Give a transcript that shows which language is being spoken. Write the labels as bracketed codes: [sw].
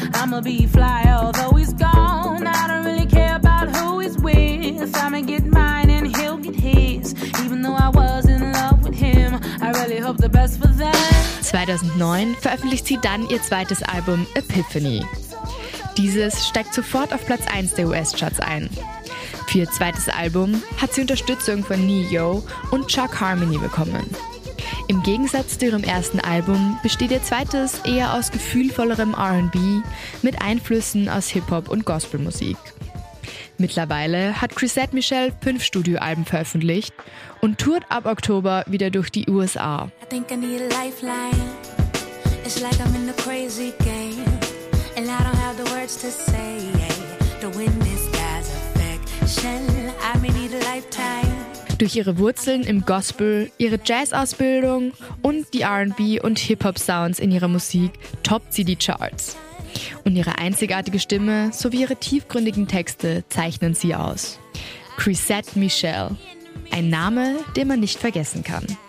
[en] I'ma be fly although he's gone. I don't really care about who he's with. I'ma get mine and he'll get his. Even though I was in love with him, I really hope the best for them. [de] 2009 veröffentlicht sie dann ihr zweites Album Epiphany. Dieses steigt sofort auf Platz 1 der US-Charts ein. Für ihr zweites Album hat sie Unterstützung von Ne-Yo und Chuck Harmony bekommen. Im Gegensatz zu ihrem ersten Album besteht ihr zweites eher aus gefühlvollerem R&B mit Einflüssen aus Hip-Hop und Gospelmusik. Mittlerweile hat Chrisette Michele 5 Studioalben veröffentlicht und tourt ab Oktober wieder durch die USA. [en] I think I need a lifeline. It's like I'm in a crazy game. And I don't have the words to say. The wind is God's affection. I may need a lifetime. [de] Durch ihre Wurzeln im Gospel, ihre Jazz-Ausbildung und die R&B- und Hip-Hop-Sounds in ihrer Musik toppt sie die Charts. Und ihre einzigartige Stimme sowie ihre tiefgründigen Texte zeichnen sie aus. Chrisette Michele, ein Name, den man nicht vergessen kann.